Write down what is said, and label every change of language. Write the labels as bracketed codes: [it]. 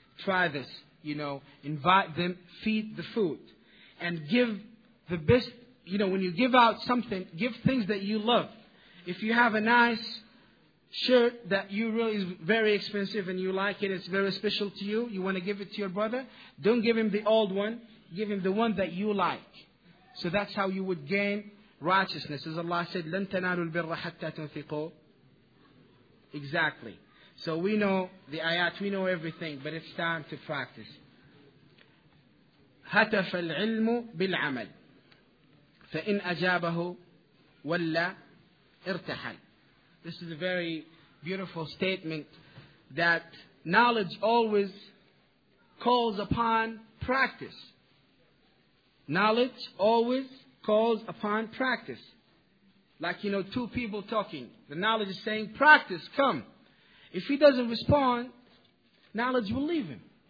[en] Try this, you know, invite them, feed the food, and give the best, you know, when you give out something, give things that you love. If you have a nice shirt that you really is very expensive and you like it, it's very special to you, you want to give it to your brother, don't give him the old one, give him the one that you like. So that's how you would gain righteousness. As Allah said, [ar] لَن تَنَالُوا الْبِرَّ حَتَّى تُنْفِقُوا. [en] Exactly. So we know the ayat, we know everything, but it's time to practice. [ar] هتف العلم بالعمل فإن أجابه ولا ارتحل. [en] This is a very beautiful statement that knowledge always calls upon practice. Knowledge always calls upon practice. Like, you know, two people talking. The knowledge is saying, practice, come. If he doesn't respond, knowledge will leave him.